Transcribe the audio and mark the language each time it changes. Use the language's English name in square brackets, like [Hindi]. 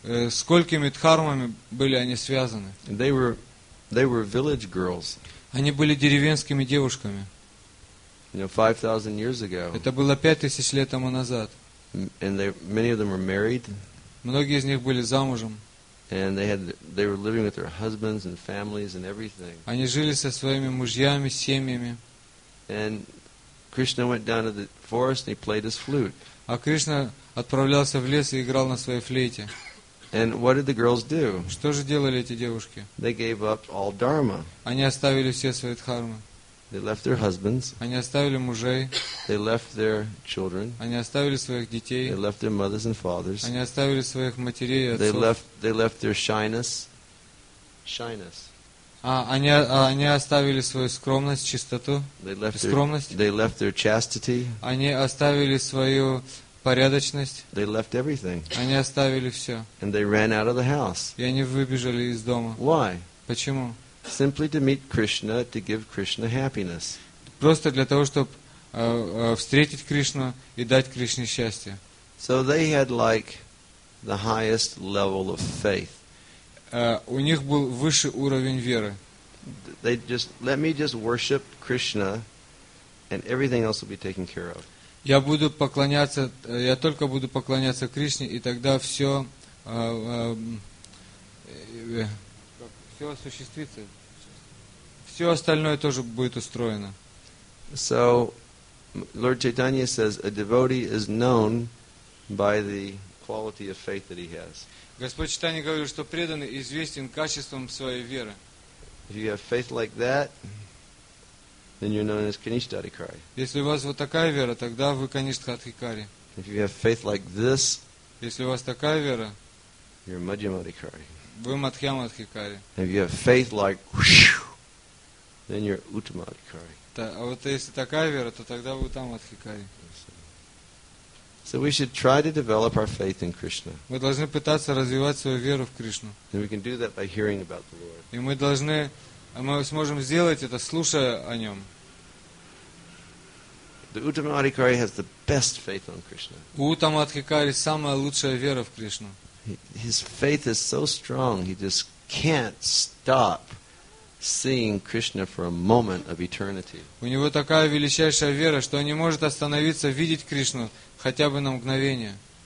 [Russian] Сколькими дхармами были они связаны? [English] They were village girls. [Russian] Они были деревенскими девушками. [English] You know, 5,000 years ago. [Russian] Это было 5,000 лет тому назад. [English] And many of them were married. [Russian] Многие из них были замужем. [English] And they were living with their husbands and families and everything. [Russian] Они жили со своими мужьями, семьями. [English] And Krishna went down to the forest and he played his flute. [Russian] А Кришна отправлялся в лес и играл на своей флейте. [English] And what did the girls do? [Russian] Что же делали эти девушки? [English] They gave up all dharma. [Russian] Они оставили все свои дхармы. [English] They left their husbands. [Russian] Они оставили мужей. [English] They left their children. [Russian] Они оставили своих детей. [English] They left their mothers and fathers. [Russian] Они оставили своих матерей и отцов. [English] They left their shyness. [Russian] Они оставили свою скромность, чистоту. [English] They left their chastity. [Russian] Они оставили свою порядочность. [English] They left everything. [Russian] Они оставили все. [English] And they ran out of the house. [Russian] И они выбежали из дома. [English] Why? [Russian] Почему? [English] Simply to meet Krishna, to give Krishna happiness. [Russian] Просто для того, чтобы встретить Кришну и дать Кришне счастье. [English] So they had like the highest level of faith. [Russian] У них был высший уровень веры. [English] They just let me just worship Krishna, and everything else will be taken care of. [Russian] Я только буду поклоняться Кришне, и тогда все, все осуществится. Все остальное тоже будет устроено. [English] So, Lord Chaitanya says, a devotee is known by the quality of faith that he has. [Russian] Господь Чайтанья говорит, что преданный известен качеством своей веры. [English] If you have faith like that, then you're known as Kanishadhikari. [Russian] Если у вас вот такая вера, тогда вы Канишадхикари. [English] If you have faith like this, [Russian] если у вас такая вера, [English] you're Madhyamadhikari. [Russian] Вы Мадхьямадхикари. [English] If you have faith like, then you're Uttamadhikari. [Russian] Да, а вот если такая вера, то тогда вы Уттамадхикари. [English] So we should try to develop our faith in Krishna. [Russian] Мы должны пытаться развивать свою веру в Кришну. [English] And we can do that by hearing about the Lord. [Russian] И мы должны сможем сделать это, слушая о нем. [English] The Uttamadhikari has the best faith on Krishna. [Russian] Уттамадхикари самая лучшая вера в Кришну. [English] His faith is so strong, he just can't stop seeing Krishna for a moment of eternity. [Russian] У него такая величайшая вера, что он не может остановиться видеть Кришну хотя бы на мгновение.